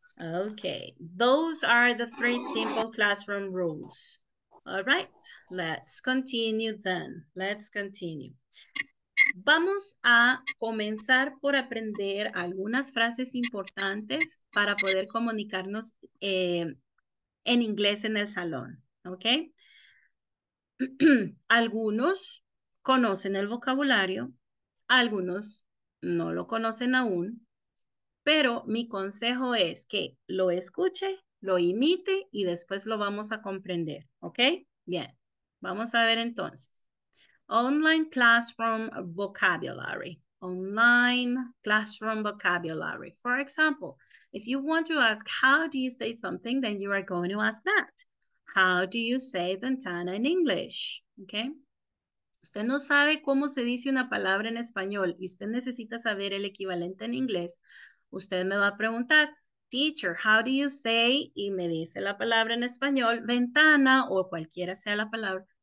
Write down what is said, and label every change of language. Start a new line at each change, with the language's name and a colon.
English: Okay. Those are the three simple classroom rules. All right, let's continue then. Let's continue.
Spanish: Vamos a comenzar por aprender algunas frases importantes para poder comunicarnos en inglés en el salón, ¿ok? Algunos conocen el vocabulario, algunos no lo conocen aún, pero mi consejo es que lo escuche, lo imite y después lo vamos a comprender, ¿ok? Bien, vamos a ver entonces.
English: Online classroom vocabulary. Online classroom vocabulary. For example, if you want to ask how do you say something, then you are going to ask that. How do you say ventana in English? Okay.
Spanish: Usted no sabe cómo se dice una palabra en español y usted necesita saber el equivalente en inglés. Usted me va a preguntar, teacher,
English: how do you say,
Spanish: y me dice la palabra en español, ventana o cualquiera sea la palabra.